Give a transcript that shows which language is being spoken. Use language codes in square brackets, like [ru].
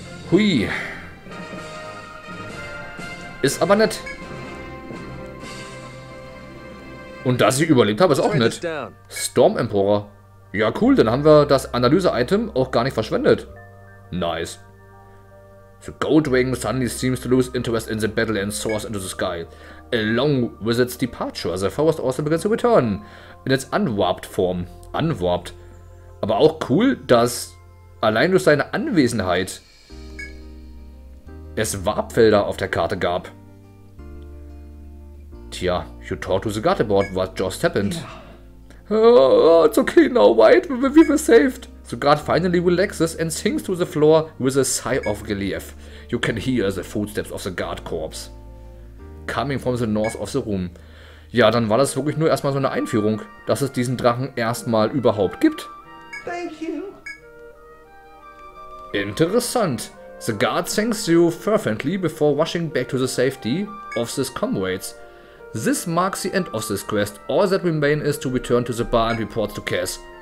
[de] Hui. Ist aber nett. Und dass ich überlebt habe, ist auch nett. Storm Emperor. Ja, cool, dann haben wir das Analyse-Item auch gar nicht verschwendet. [en] Nice. The Gold Wing suddenly seems to lose interest in the battle and soars into the sky. Along with its departure, the forest also begins to return. In its unwarped form. Unwarped. [de] Aber auch cool, dass allein durch seine Anwesenheit es Warpfelder auf der Karte gab. [en] Tja, you talk to the guard about what just happened. Yeah. Oh, it's okay now, White. We were saved. The guard finally relaxes and sinks to the floor with a sigh of relief. You can hear the footsteps of the guard corpse. Coming from the north of the room. [de] Ja, dann war das wirklich nur erstmal so eine Einführung, dass es diesen Drachen erstmal überhaupt gibt. [en] Thank you. [de] Interessant. [en] The guard thanks you fervently before rushing back to the safety of his comrades. This marks the end of this quest. All that remains is to return to the bar and report to Cass.